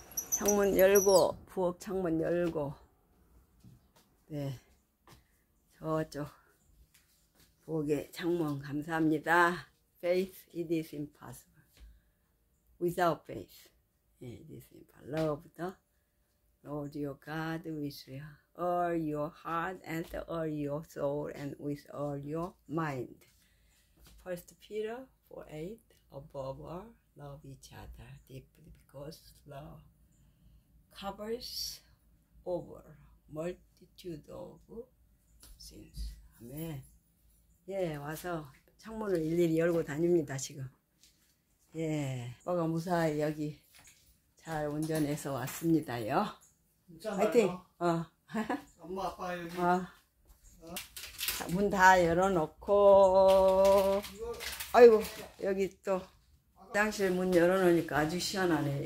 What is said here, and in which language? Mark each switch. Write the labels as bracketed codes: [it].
[ko] 창문 열고, 부엌 창문 열고. 네. 저쪽. 부엌에 창문 감사합니다. [en] Faith, it is impossible. Without faith, it is impossible. Love부터. Lord your God with all your heart and all your soul and with all your mind. 1 Peter 4:8. Above all, love each other deeply because love covers over multitude of sins. [ko] 아멘. 예, 와서 창문을 일일이 열고 다닙니다, 지금. 예, 아빠가 무사히 여기 잘 운전해서 왔습니다요. 화이팅! 괜찮아요? 엄마, 아빠 여기. 문다 열어놓고, 아이고, 여기 또 화장실 문 열어놓으니까 아주 시원하네.